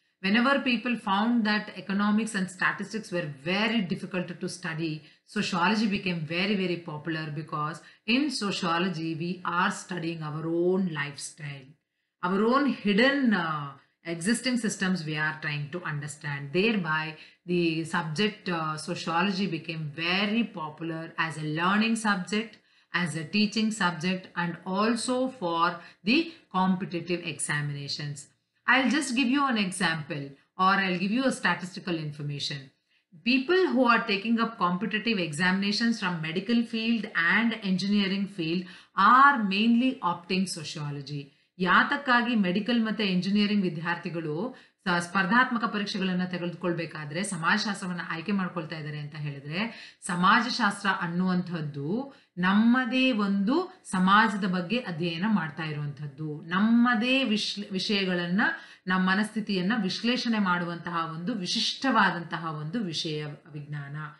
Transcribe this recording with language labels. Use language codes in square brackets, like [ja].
[en] Whenever people found that economics and statistics were very difficult to study, sociology became very very popular. Because in sociology we are studying our own life style, our own hidden existing systems we are trying to understand. Thereby the subject sociology became very popular as a learning subject, as a teaching subject, and also for the competitive examinations. I'll just give you an example, or I'll give you a statistical information. People who are taking up competitive examinations from medical field and engineering field are mainly opting sociology. [kn] ಯಾತಕ್ಕಾಗಿ medical ಮತ್ತು engineering ವಿದ್ಯಾರ್ಥಿಗಳು ಸ್ಪರ್ಧಾತ್ಮಕ ಪರೀಕ್ಷೆಗಳನ್ನು ತೆಗೆದುಕೊಳ್ಬೇಕಾದ್ರೆ ಸಮಾಜಶಾಸ್ತ್ರವನ್ನು ಆಯ್ಕೆ ಮಾಡ್ಕೊಳ್ತಾ ಇದ್ದಾರೆ ಅಂತ ಹೇಳಿದ್ರೆ, ಸಮಾಜಶಾಸ್ತ್ರ ಅನ್ನುವಂಥದ್ದು ನಮ್ಮದೇ ಒಂದು ಸಮಾಜದ ಬಗ್ಗೆ ಅಧ್ಯಯನ ಮಾಡ್ತಾ ಇರುವಂಥದ್ದು, ನಮ್ಮದೇ ವಿಷಯಗಳನ್ನು ನಮ್ಮ ಮನಸ್ಥಿತಿಯನ್ನು ವಿಶ್ಲೇಷಣೆ ಮಾಡುವಂತಹ ಒಂದು ವಿಶಿಷ್ಟವಾದಂತಹ ಒಂದು ವಿಷಯ ವಿಜ್ಞಾನ.